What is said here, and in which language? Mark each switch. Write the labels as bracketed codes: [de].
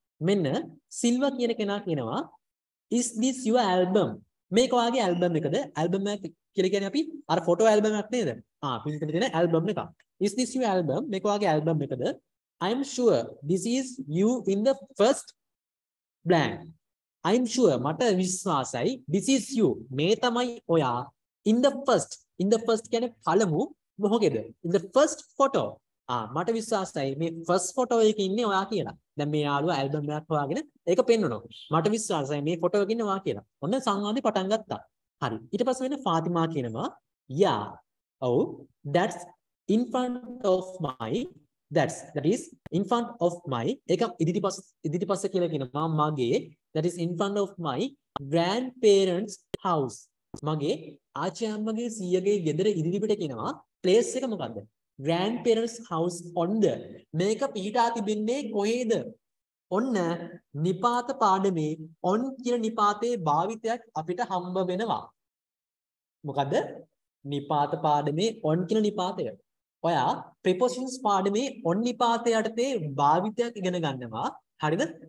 [si] මෙන්න සිල්වා කියන කෙනා කියනවා [en] is this your album [si] මේක ඔයාගේ ඇල්බම් එකද ඇල්බම් එක කියලා කියන්නේ අපි අර ෆොටෝ ඇල්බම් එකක් නේද ආ පිළිතුර දෙන ඇල්බම් එකක් is this your album මේක ඔයාගේ ඇල්බම් එකද [en] i am sure this is you in the first blank i am sure [si] මට විශ්වාසයි [en] this is you [si] මේ තමයි ඔයා [en] in the first [si] කියන්නේ පළමු මොකේද [en] in the first photo [si] ආ මට විශ්වාසයි මේ ෆස්ට් ෆොටෝ එකේ ඉන්නේ ඔයා කියලා. දැන් මේ යාළුවා ඇල්බම් එකක් හොයාගෙන ඒක පෙන්වනවා. මට විශ්වාසයි මේ ෆොටෝ එකේ ඉන්නේ ඔයා කියලා. ඔන්න සංවාදේ පටන් ගත්තා. හරි. ඊට පස්සේ වෙන ෆාතිමා කියනවා [en] yeah. Oh that's in front of my that's that is in front of my [si] ඒක ඉදිරිපස්ස කියලා කියනවා මගේ [en] that is in front of my grandparents house. [si] මගේ ආච්චි අම්මගේ සීයගේ ගෙදර ඉදිරිපිට කියනවා place එක මොකද්ද? [en] grandparents house on the [si] මේක පිහිටා තිබෙන්නේ කොහේද ඔන්න නිපාත පාඩමේ on කියන නිපාතේ භාවිතයක් අපිට හම්බ වෙනවා මොකද නිපාත පාඩමේ on කියන නිපාතය ඔයා prepositions පාඩමේ on නිපාතය යටතේ භාවිතයක් ඉගෙන ගන්නවා හරිද